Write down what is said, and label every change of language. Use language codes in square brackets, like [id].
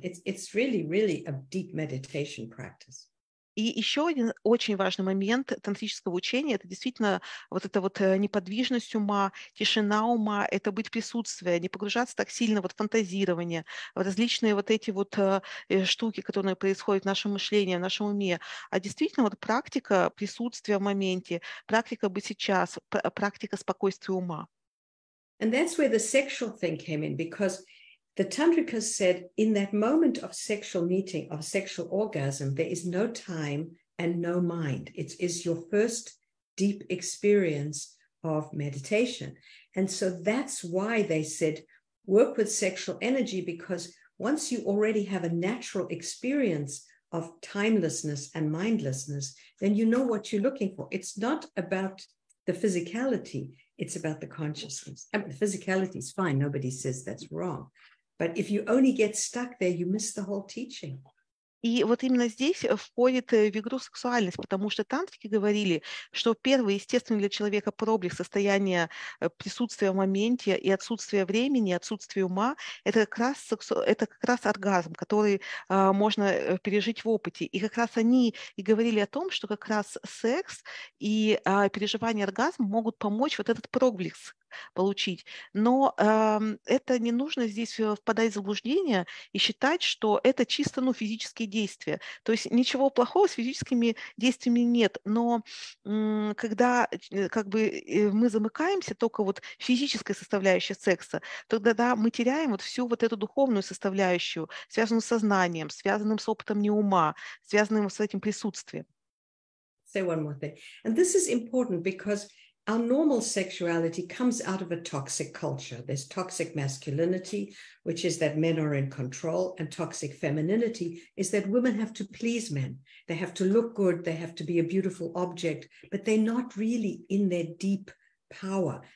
[en] It's really, really a deep meditation practice. [ru] И еще один очень важный момент тантрического учения – это действительно вот эта вот неподвижность ума, тишина ума, это быть присутствием, не погружаться так сильно вот в фантазирование, в различные вот эти вот штуки, которые происходят в нашем мышлении, в нашем уме. А действительно вот практика присутствия в моменте, практика быть сейчас, практика спокойствия ума. [en] And that's where the sexual thing came in, because the tantrika said, in that moment of sexual meeting, of sexual orgasm, there is no time and no mind. It is your first deep experience of meditation. And so that's why they said, work with sexual energy, because once you already have a natural experience of timelessness and mindlessness, then you know what you're looking for. It's not about the physicality, it's about the consciousness. I mean, the physicality is fine, nobody says that's wrong. But if you only get stuck there, you miss the whole teaching. [ru] И вот именно здесь входит в игру сексуальность, потому что тантрики говорили, что первый естественный для человека проблеск состояния присутствия в моменте и отсутствия времени, отсутствия ума, это как раз оргазм, который можно пережить в опыте. И как раз они и говорили о том, что как раз секс и переживание оргазма могут помочь вот этот проблеск получить. Но это не нужно здесь впадать в заблуждение и считать, что это чисто ну, физические действия. То есть ничего плохого с физическими действиями нет. Но когда как бы, мы замыкаемся только вот физической составляющей секса, тогда да, мы теряем вот всю вот эту духовную составляющую, связанную с сознанием, связанным с опытом неума, связанным с этим присутствием. [en] Say one more thing. And this is important because our normal sexuality comes out of a toxic culture. There's toxic masculinity, which is that men are in control, and toxic femininity is that women have to please men. They have to look good, they have to be a beautiful object, but they're not really in their deep power.